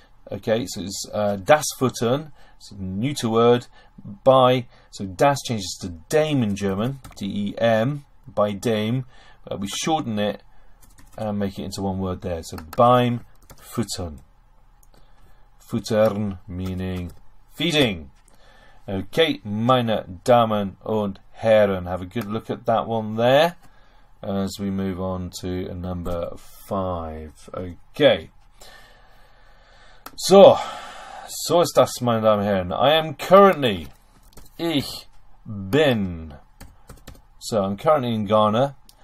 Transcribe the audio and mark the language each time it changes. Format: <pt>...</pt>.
<en>okay, so it's das Futtern, it's a neuter word, by, so das changes to dem in German, D-E-M, by dem, we shorten it and make it into one word there, so</en> <de>beim Futtern,</de> <en>Futtern meaning feeding. Okay,</en> <de>meine Damen und Herren,</de> <en>have a good look at that one there as we move on to number five.</en> <de>Okay, so ist das, meine Damen und Herren.</de> <en>I am currently,</en> <de>ich bin,</de> <en>so I'm currently in Ghana.</en>